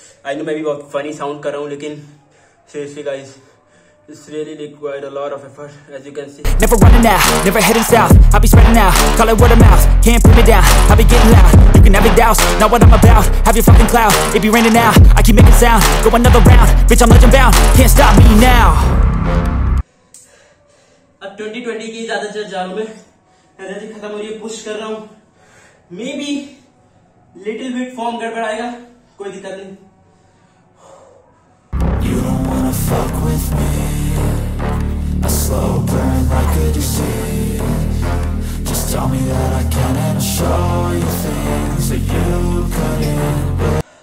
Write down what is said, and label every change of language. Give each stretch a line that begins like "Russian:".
English: I know
Hindi: मैं भी बहुत funny sound कर रहा हूँ लेकिन
English: seriously guys, this really required a lot of effort as you can see. Never running out, never heading south. I'll be spreading out, call it word of mouth. Can't put me down, I'll be getting loud. You can have your doubts, not what I'm about. Have your fucking clout, it be raining now. I keep making sound, go another round. Bitch, I'm legend bound, can't stop me now.
Hindi: अब 2020 की ज्यादा चल जाऊं मैं energy खत्म हो रही है, पुश कर रहा हूं,
English: maybe little bit
Hindi: form गड़बड़ाएगा, कोई दिक्कत नहीं.
English: You don't wanna fuck with me. A slow burn, like could you see? Just tell me that I can and show you things that you couldn't.